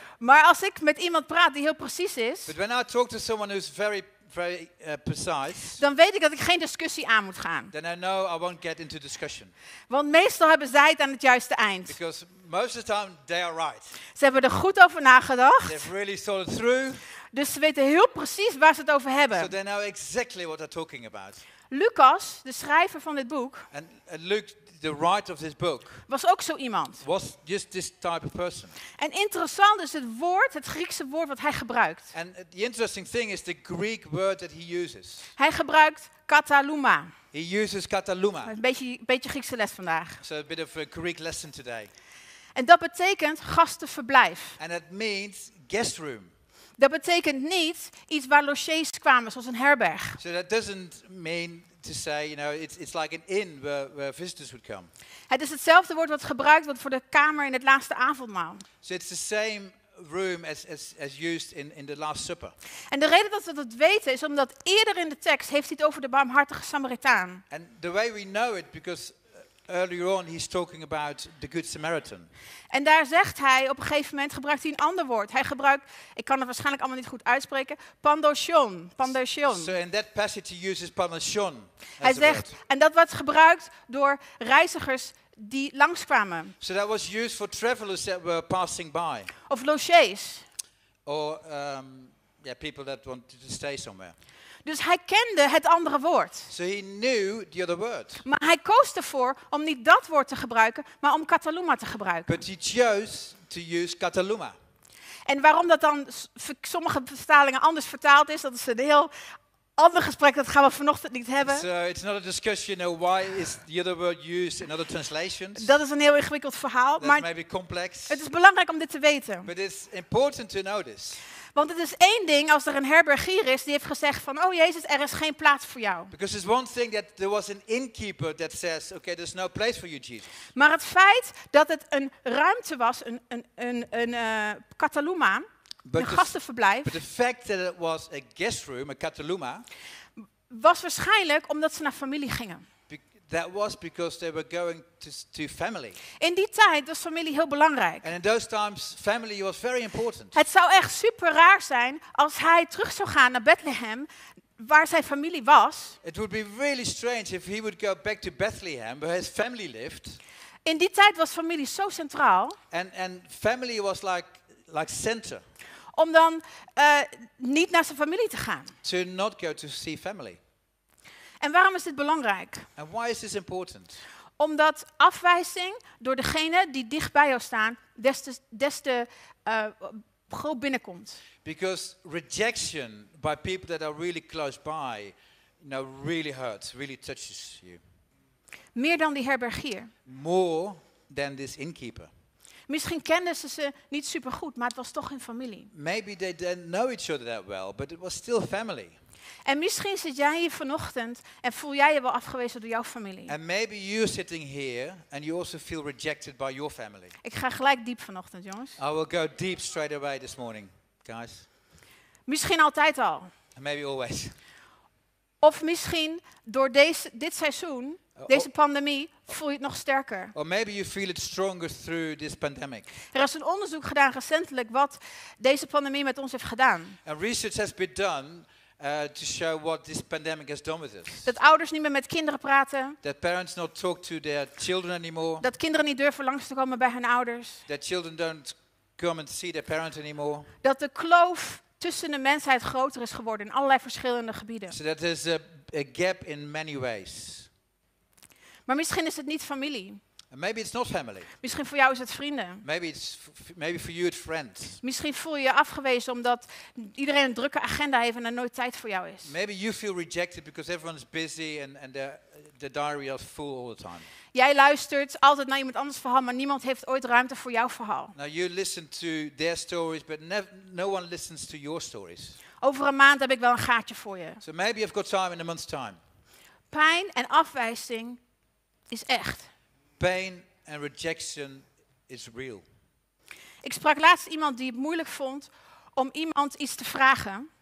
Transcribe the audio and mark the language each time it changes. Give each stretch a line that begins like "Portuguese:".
Dutch: Maar als ik met iemand praat die heel precies is.
English: But when I talk to someone who's very, very precise.
Dutch: Dan weet ik dat ik geen discussie aan moet gaan.
English: Then I know I won't get into discussion.
Dutch: Want meestal hebben zij het aan het juiste eind.
English: Because most of the time they are right.
Dutch: Ze hebben er goed over nagedacht.
English: They've really thought it through.
Dutch: Dus ze weten heel precies waar ze het over hebben.
English: So they know exactly what they're talking about.
Dutch: Lucas, de schrijver van dit boek.
English: And Luke, the writer of this book.
Dutch: Was ook zo iemand.
English: Was just this type of person.
Dutch: En interessant is het woord, het Griekse woord wat hij gebruikt.
English: And the interesting thing is the Greek word that he uses.
Dutch: Hij gebruikt kataluma.
English: He uses kataluma.
Dutch: Een beetje Griekse les vandaag.
English: So a bit of a Greek lesson today.
Dutch: En dat betekent gastenverblijf.
English: And that means guest room.
Dutch: Dat betekent niet iets waar logees kwamen, zoals een herberg.
English: So that doesn't mean to say, you know, it's like an inn where visitors would come.
Dutch: Het is hetzelfde woord wat gebruikt wordt voor de kamer in het laatste avondmaal.
English: So it's the same room as used in the Last Supper.
Dutch: En de reden dat we dat weten is omdat eerder in de tekst heeft hij het over de barmhartige Samaritaan.
English: And the way we know it because earlier on he's talking about the Good Samaritan.
Dutch: En daar zegt hij op een gegeven moment gebruikt hij een ander woord. Hij gebruikt, ik kan het waarschijnlijk allemaal niet goed uitspreken, pandoshion, pandoshion.
English: So in that passage he uses pandoshion.
Dutch: Hij zegt, en dat wordt gebruikt door reizigers die langskwamen.
English: So that was used for travelers that were passing by.
Dutch: Of logees.
English: Or people that wanted to stay somewhere.
Dutch: Dus hij kende het andere woord.
English: So he knew the other word.
Dutch: Maar hij koos ervoor om niet dat woord te gebruiken, maar om kataluma te gebruiken.
English: But he chose to use kataluma.
Dutch: En waarom dat dan sommige vertalingen anders vertaald is, dat is een heel ander gesprek, dat gaan we vanochtend niet hebben.
English: So it's not a discussion of why is the other word used in other translations.
Dutch: Dat is een heel ingewikkeld verhaal.
English: That's
Dutch: maar
English: maybe complex.
Dutch: Het is belangrijk om dit te weten.
English: But it's important to know this.
Dutch: Want het is één ding als er een herbergier is die heeft gezegd van, oh Jezus, er is geen plaats voor jou.
English: Because it's one thing that there was an innkeeper that says, okay, there's no place for you, Jesus.
Dutch: Maar het feit dat het een ruimte was, een kataluma. een gastenverblijf.
English: But the fact that it was a guest room, a kataluma,
Dutch: was waarschijnlijk omdat ze naar familie gingen.
English: That was because they were going to family.
Dutch: In die tijd was familie heel belangrijk.
English: And in those times, family was very important.
Dutch: Het zou echt super raar zijn als hij terug zou gaan naar Bethlehem, waar zijn familie was.
English: It would be really strange if he would go back to Bethlehem, where his family lived.
Dutch: In die tijd was familie zo centraal.
English: And family was like center.
Dutch: Om dan niet naar zijn familie te gaan.
English: To not go to see family.
Dutch: En waarom is dit belangrijk?
English: And why is this important?
Dutch: Omdat afwijzing door degene die dicht bij jou staan, des te groot binnenkomt.
English: Because rejection by people that are really close by, you know, really hurts, really touches you.
Dutch: Meer dan die herbergier.
English: More than this innkeeper.
Dutch: Misschien kenden ze niet super goed, maar het was toch hun familie.
English: Maybe they didn't know each other that well, but it was still family.
Dutch: En misschien zit jij hier vanochtend en voel jij je wel afgewezen door jouw familie.
English: And maybe you're sitting here and you also feel rejected by your family.
Dutch: Ik ga gelijk diep vanochtend, jongens.
English: I will go deep straight away this morning, guys.
Dutch: Misschien altijd al.
English: And maybe always.
Dutch: Of misschien door dit seizoen, deze pandemie, voel je het nog sterker.
English: Or maybe you feel it stronger through this pandemic.
Dutch: Er is een onderzoek gedaan recentelijk wat deze pandemie met ons heeft gedaan.
English: And research has been done. To show what this pandemic has done with us.
Dutch: Dat ouders niet meer met kinderen praten.
English: That parents not talk to their children anymore.
Dutch: Dat kinderen niet durven langs te komen bij hun ouders.
English: That children don't come and see their parents anymore.
Dutch: Dat de kloof tussen de mensheid groter is geworden in allerlei verschillende gebieden.
English: So that there's a gap in many ways.
Dutch: Maar misschien is het niet familie.
English: Maybe it's not family.
Dutch: Misschien voor jou is het vrienden.
English: Maybe for you it's friends.
Dutch: Misschien voel je je afgewezen omdat iedereen een drukke agenda heeft en er nooit tijd voor jou is.
English: Maybe you feel rejected because everyone's busy and the diary is full all the time.
Dutch: Jij luistert altijd naar iemand anders verhaal, maar niemand heeft ooit ruimte voor jouw verhaal.
English: Now you listen to their stories, but no one listens to your stories.
Dutch: Over een maand heb ik wel een gaatje voor je.
English: So maybe I've got time in a month's time.
Dutch: Pijn en afwijzing is echt.
English: Pain and rejection is real.
Dutch: Ik sprak laatst iemand die het moeilijk vond om iemand iets te vragen.